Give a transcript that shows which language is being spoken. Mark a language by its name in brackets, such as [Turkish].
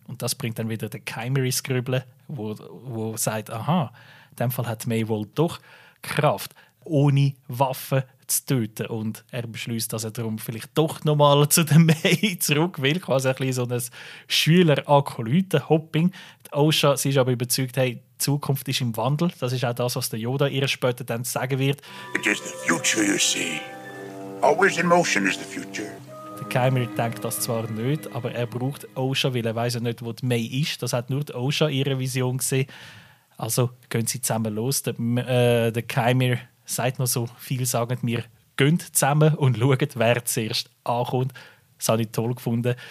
[German] Und das bringt dann wieder den Keimer ins Grübeln, wo sagt, aha, in dem Fall hat May wohl doch Kraft, ohne Waffen zu töten. Und er beschließt, dass er darum vielleicht doch nochmal zu der May zurück will, quasi ein bisschen so ein Schüler-Akolyten-Hopping. Die Osha, sie ist aber überzeugt, hey, die Zukunft ist im Wandel. Das ist auch das, was der Yoda ihr später dann sagen wird. [English] It is the future you see. Always in motion is the future. [German] Der Keimer denkt das zwar nicht, aber er braucht Osha, weil er weiß ja nicht, wo die May ist. Das hat nur die Osha ihre Vision gesehen. Also gehen sie zusammen los. Der Keimer sagt noch so viel, sagen wir, gehen zusammen und schauen, wer zuerst ankommt. Das habe ich toll gefunden.